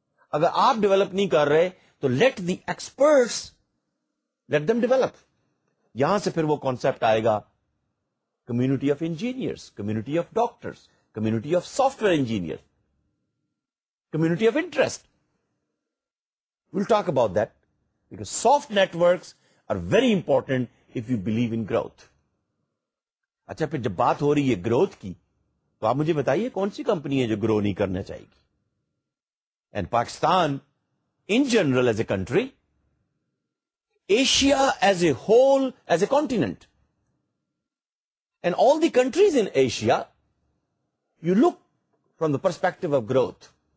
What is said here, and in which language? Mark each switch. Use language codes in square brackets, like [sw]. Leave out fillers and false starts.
[ur] اگر آپ ڈیولپ نہیں کر رہے تو [en] Let the experts let them develop. [ur] یہاں سے پھر وہ کانسیپٹ آئے گا [en] Community of engineers, community of doctors, community of software engineer, community of interest. We'll talk about that because soft networks are very important if you believe in growth. [ur] اچھا پھر جب بات ہو رہی ہے گروتھ کی تو آپ مجھے بتائیے کون سی کمپنی ہے جو گرو نہیں کرنا چاہے گی. [en] And Pakistan in general as a country, Asia as a whole, as a continent, and all the countries in Asia, you look from the perspective of growth.